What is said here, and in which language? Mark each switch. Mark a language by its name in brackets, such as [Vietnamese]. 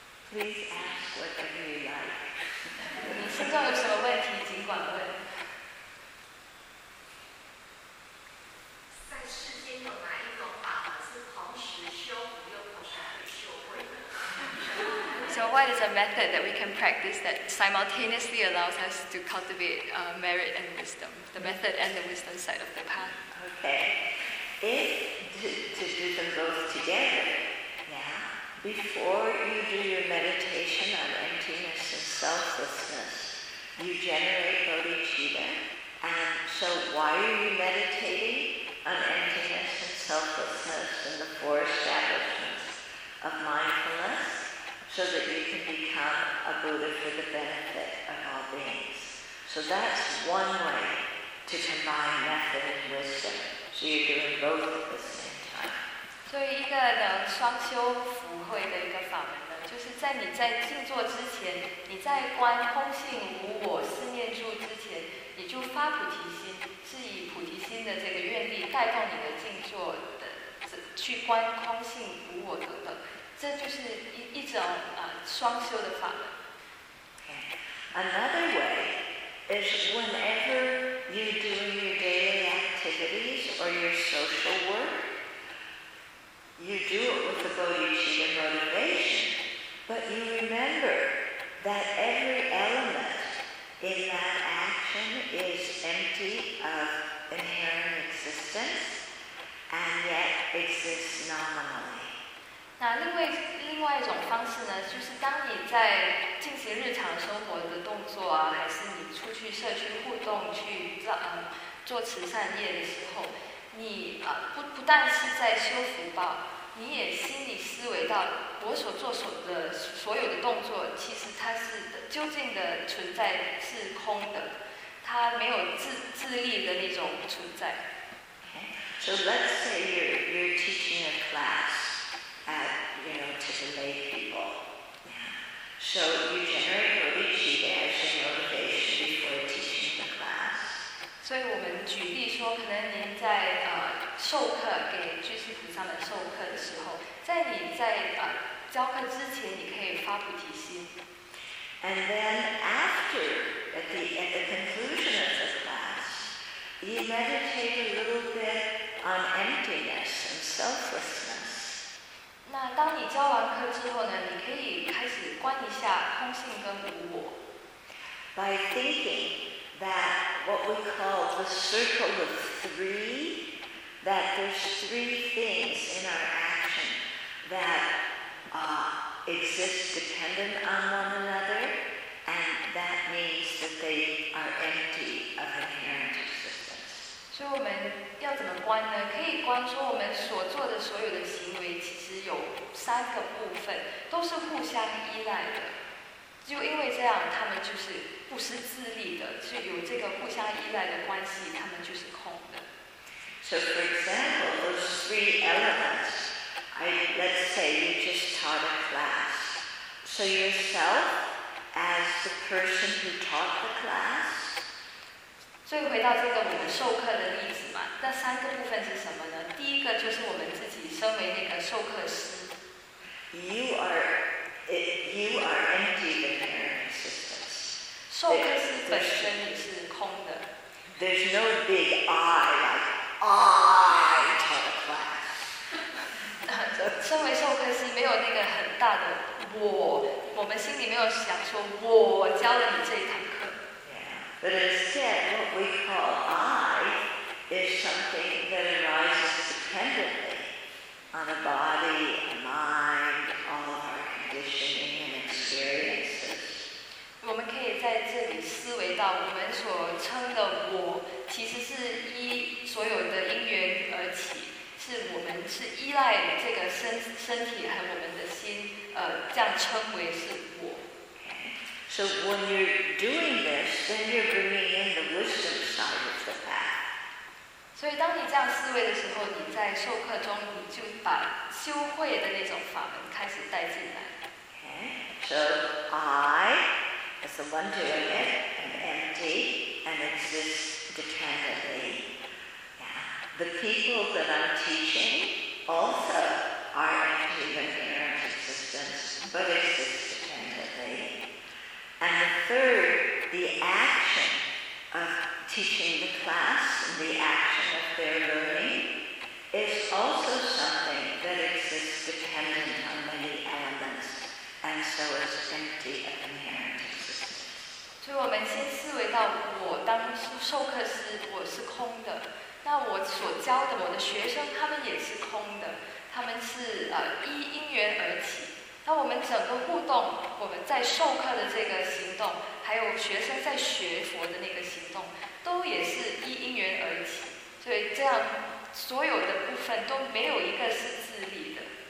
[English] Please ask whatever you like. [Chinese] 你心中有什么问题，尽管问。在世间有哪一种法门是同时修福又同时可以修慧的？ [English] So what is a method that we can practice that simultaneously allows us to cultivate merit and wisdom, the method and the wisdom side of the path? Okay, if to do them both together. Before you do your meditation on emptiness and selflessness, you generate bodhicitta. And so why are you meditating on emptiness and selflessness and the four establishments of mindfulness? So that you can become a Buddha for the benefit of all beings. So that's one way to combine method and wisdom. So you're doing both at the same time. [Chinese] 所以一个能双修福慧的一个法门呢，就是在你在静坐之前，你在观空性无我四念住之前，你就发菩提心，是以菩提心的这个愿力带动你的静坐的去观空性无我等等，这就是一种双修的法门。 [English] Another way is whenever you do your daily activities or your social work. You do it with the bodhicitta motivation, but you remember that every element in that action is empty of inherent existence and yet exists nominally. [Chinese] 那另外一种方式呢，就是当你在进行日常生活的动作啊，还是你出去社区互动去做慈善业的时候。你不但是在修福报，你也心里思维到我所做的所有的动作，其实它是究竟的存在是空的，它没有自立的那种存在。 [English] So let's say you're teaching a class at, you know, to the lay people. So you generate bodhicitta as your motivation before teaching the class. [Chinese] 所以我们举例说，可能您在授课给居士菩萨们授课的时候，在你在教课之前，你可以发菩提心。 [English] And then after, at the conclusion of the class, you meditate a little bit. On emptiness and selflessness. [Chinese] 那当你教完课之后呢，你可以开始观一下空性跟无我。 [English] By thinking that what we call the circle of three, that there's three things in our action that exist dependent on one another, and that means that they are empty of inherent existence. [Chinese] 所以我们要怎么观呢？可以观说我们所做的所有的行为其实有三个部分都是互相依赖的，就因为这样他们就是不是自立的，是有这个互相依赖的关系，他们就是空的。 [English] So for example, those three elements, let's say you just taught a class. So yourself as the person who taught the class. [Chinese] 所以回到这个我们授课的例子，那三个部分是什么呢？第一个就是我们自己身为那个授课师。 [English] You are empty of existence. [Chinese] 授课师本身也是空的。 [English] There's no big I like I taught a class. [Chinese] 身为授课师没有那个很大的我们心里没有想说我教了你这一堂课。 [English] But instead, what we call I is something that arises dependently on a body, a mind, all of our conditioning and experiences. [Chinese] 我们可以在这里思维到，我们所称的我，其实是依所有的因缘而起，是我们是依赖这个身体和我们的心，这样称为是我。 [English] So when you're doing this, then you're bringing in the wisdom side of the path. [Chinese] 所以当你这样思维的时候，你在授课中你就把修慧的那种法门开始带进来。 [English] Okay. So I as the one doing it am empty and exist dependently. The people that I'm teaching also are empty of inherent existence, but exist dependently. And the third, the action of teaching the class and the action their learning is also something that exists dependent on many elements and so is empty of inherent existence. [Chinese] 所以我们先思维到我当授课时我是空的，那我所教的我的学生他们也是空的，他们是依因缘而起，那我们整个互动，我们在授课的这个行动还有学生在学佛的那个行动都也是依因缘而起，所以这样所有的部分都没有一个是自立的。